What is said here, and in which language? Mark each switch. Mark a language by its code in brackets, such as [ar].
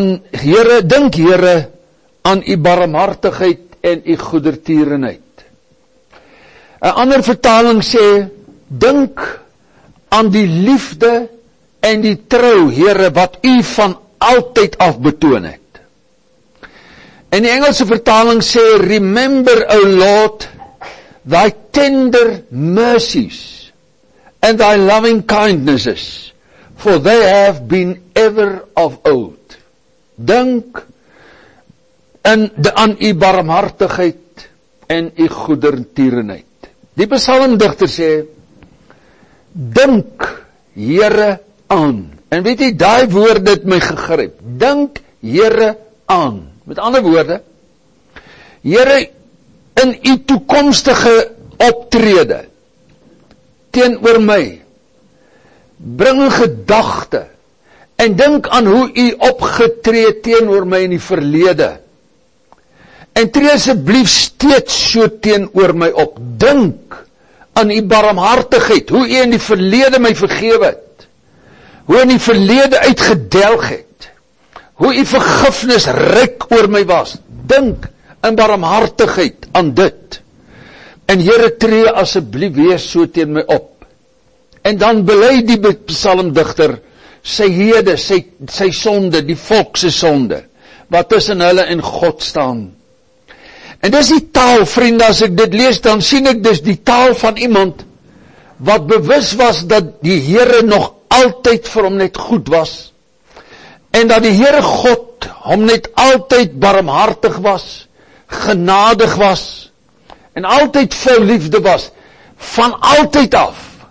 [af] Dink Here aan u barmhartigheid en u goedertierenheid. 'N ander vertaling sê, dink aan die liefde en die trou, Here, wat u van altyd af betoon het. En die Engelse vertaling sê, [en] remember, O Lord, thy tender mercies and thy loving kindnesses, for they have been ever of old. [af] Dink aan u barmhartigheid en u goedertierenheid. Die psalmdigter sê, dink, Here, aan. En weet jy, daai woord het my gegryp. Dink, Here, aan. Met ander woorde, Here, in u toekomstige optrede teenoor my, bring gedagte en dink aan hoe u opgetree teenoor my in die verlede. En tree asseblief steeds so teenoor my op. Dink aan u barmhartigheid, hoe u in die verlede my vergewe het. Hoe in die verlede uitgedelg het. Hoe u vergifnis ryk oor my was. Dink in barmhartigheid aan dit. En Here, tree asseblief weer so teen my op. En dan bely die psalmdigter sy hede, sy sonde, die volk se sonde, wat tussen hulle en God staan. En dis die taal, vriende, as ek dit lees, dan sien ek dis die taal van iemand wat bewus was dat die Here nog altyd vir hom net goed was, en dat die Here God hom net altyd barmhartig was, genadig was, en altyd vol liefde was, van altyd af.